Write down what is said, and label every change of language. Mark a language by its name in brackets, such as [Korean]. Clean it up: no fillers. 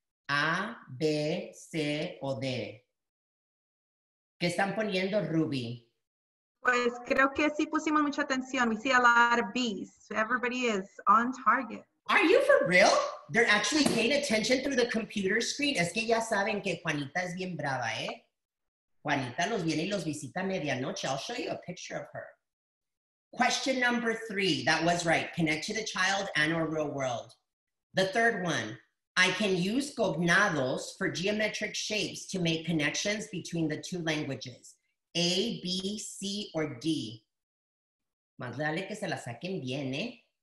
[Spanish] A, B, C, o D. ¿Qué están poniendo, Ruby? Pues creo que sí pusimos mucha atención. [English] We see a lot of Bs. Everybody is on target. Are you for real? They're actually paying attention through the computer screen. [Spanish] Es que ya saben que Juanita es bien brava, eh? Juanita los viene y los visita a medianoche. [English] I'll show you a picture of her. Question number three. That was right. Connect to the child and or real world. The third one. I can use cognados for geometric shapes to make connections between the two languages. [Spanish] A, B, C, or D. Más dale que se la saquen bien, eh?